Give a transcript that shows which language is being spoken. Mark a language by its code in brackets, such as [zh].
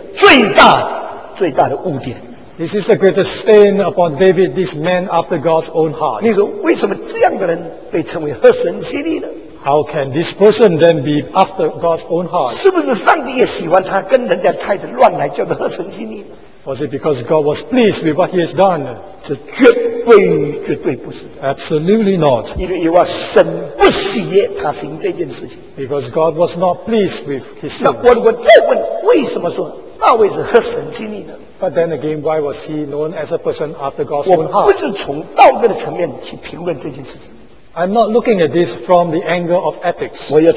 [zh] 这是大卫这位合神心意的人一生中间最大的污点。 [en] This is the greatest stain upon David, this man after God's own heart. [zh] 你说为什么这样的人被称为合神心意呢? [en] How can this person then be after God's own heart? [zh] 是不是上帝也喜欢他跟人家太太乱来叫做合神心意? [en] Was it because God was pleased with what he has done? [zh] 这绝对不是。 [en] Absolutely not. [zh] 因为神不喜悦他行这件事情。 [en] Because God was not pleased with his sins. [zh] 那我如果再问为什么说大卫是合神心意的? [en] But then again, why was he known as a person after God's own heart? [zh] 我不是从道德的层面去评论这件事情。 [en] I'm not looking at this from the angle of ethics.